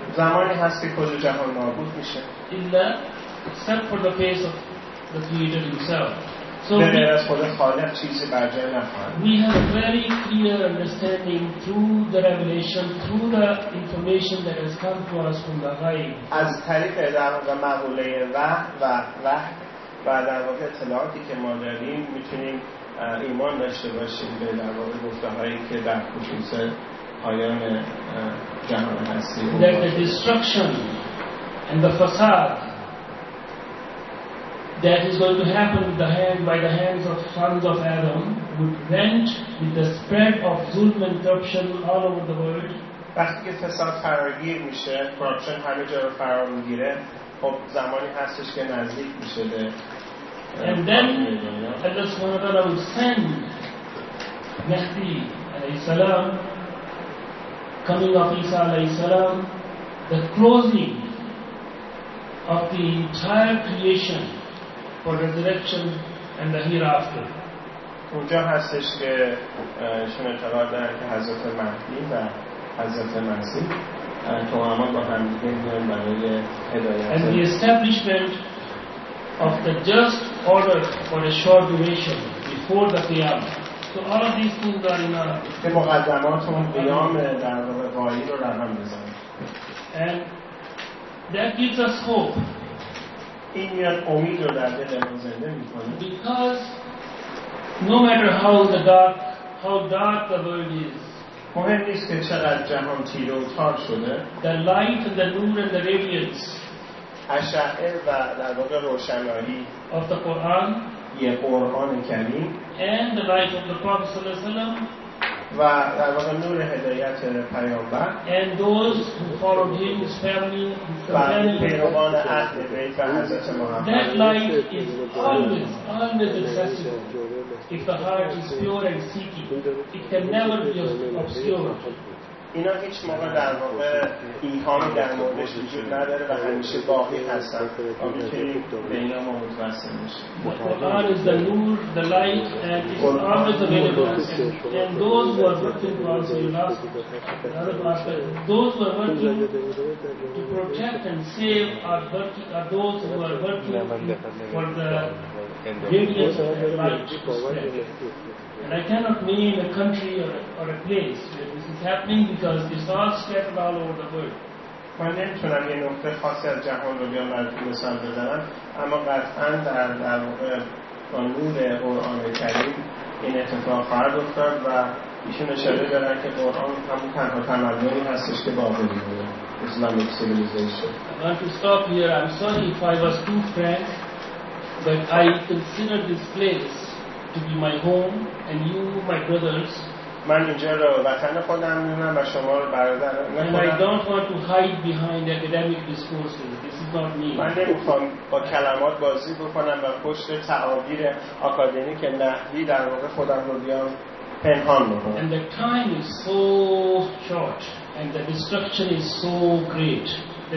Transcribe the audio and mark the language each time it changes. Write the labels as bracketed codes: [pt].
[fa] زمانی هست که کل جهان نابود میشه. [en] Illa except for the face of the creator himself. [fa] So به غیر از خود خالق چیزی بر جای نخواهد. [en] We have very clear understanding through the revelation, through the information that has come to us from the ghaib. [fa] از طریق در واقع مقوله وحی و در واقع اطلاعاتی که ما داریم میتونیم ایمان داشته باشیم به در واقع گفته هایی که در خصوص پایان جهان هستی. [en] That the destruction and the facade that is going to happen by the hands of sons of Adam. would end with the spread of zulm and corruption all over the world. [fa] وقتی که فساد فراگیر میشه، کرپشن همه جا رو فرا میگیره، خب زمانی هستش که نزدیک میشه به [en] And then Allah subhanahu wa ta'ala will send Mahdi alayhi salam, coming of Isa alayhi salam, the closing of the entire creation for resurrection and the hereafter. [fa] اونجا هستش که شما اعتقاد دارن که حضرت مهدی و حضرت مسیح تو همان با هم دیگه میان برای هدایت [en] and the establishment of the just order for a short duration before the qiyam so all of these things are in a [fa] که مقدمات اون قیام در واقع قایی رو رقم بزنه [en] and that gives us hope [fa] این میاد امید رو در دل ما زنده میکنه [en] because No matter how dark the world is, [fa] مهم نیست که چقدر جهان تیره و تار شده. [en] The light and the nur and the radiance, [fa] اشعه و در واقع روشنایی [en] of the Quran, [fa] یه قرآن کریم, [en] and the light of the Prophet صلی الله علیه و سلم, [fa] و در واقع نور هدایت پیامبر, [en] and those who followed him, his family, [fa] و پیروان اهل بیت و حضرت محمد. [en] That light is always accessible. If the heart is pure and seeking, it can never be obscure. [fa] اینا هیچ موقع در واقع ایهام در موردش وجود نداره و همیشه باقی هستن آمیتری بینام [en] And I cannot name a country or a place where this is happening because it's all scattered all over the world. [fa] من نمیتونم یه نقطه خاصی از جهان رو بیام براتون مثال بزنم اما قطعا در واقع با نور قرآن کریم این اتفاق خواهد افتاد و ایشون اشاره دارن که قرآن همون تنها تمدنی هستش که باقی بوده [en] Islamic civilisation I want to stop here. I'm sorry if I was too frank but I consider this place to be my home and you my brothers [fa] من اینجا رو وطن خودم میدونم و شما رو برادر [en] I don't want to hide behind academic discourses this is not me [fa] من نمیخوام با کلمات بازی بکنم و پشت تعابیر آکادمیک نحوی در واقع خودم رو بیام پنهان بکنم [en] and the time is so short and the destruction is so great the